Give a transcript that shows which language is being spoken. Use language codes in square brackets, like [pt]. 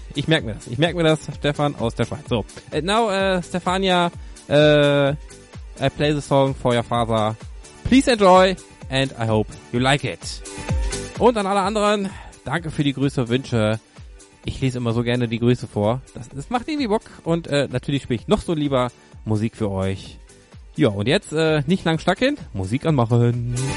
[de] Ich merke mir das, Stefan aus der Schweiz. [en] So, now, Stefania, I play the song for your father. Please enjoy. And I hope you like it. [de] Und an alle anderen, danke für die Grüße und Wünsche. Ich lese immer so gerne die Grüße vor. Das macht irgendwie Bock. Und natürlich spiele ich noch so lieber Musik für euch. Ja, und jetzt nicht lang stacken, Musik anmachen.